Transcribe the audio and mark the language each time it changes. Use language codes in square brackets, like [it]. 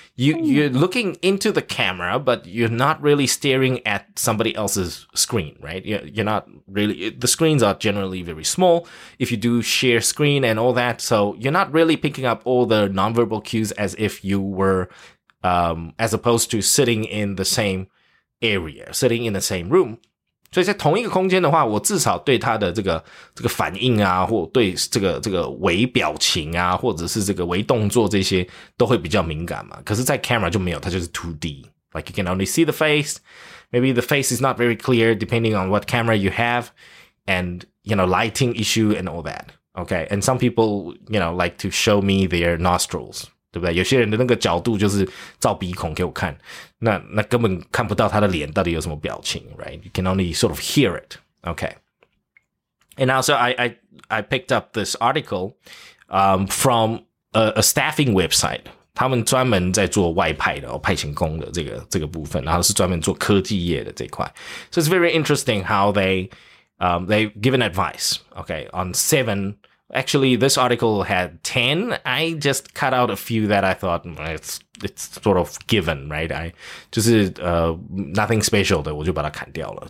[en] You're looking into the camera, but you're not really staring at somebody else's screen, right? You're not really, the screens are generally very small if you do share screen and all that. So you're not really picking up all the nonverbal cues as if you were, as opposed to sitting in the same area, sitting in the same room. [zh] 所以在同一个空间的话，我至少对他的这个反应啊，或对这个微表情啊，或者是这个微动作这些都会比较敏感嘛。可是在 camera 就没有，它就是 2D. [en] Like you can only see the face. Maybe the face is not very clear depending on what camera you have and, you know, lighting issue and all that. Okay. And some people, you know, like to show me their nostrils. [zh] 对不对？有些人的那个角度就是照鼻孔给我看，那根本看不到他的脸到底有什么表情 ，right? [en] You can only sort of hear it, okay? And also, I picked up this article, from a staffing website. [zh] 他们专门在做外派的、哦、派遣工的这个部分，然后是专门做科技业的这块。 [en] So it's very interesting how they give an advice, okay, on seven. Actually, this article had 10. I just cut out a few that I thought it's sort of given, right? I just nothing special [zh] 的，我就把它砍掉了。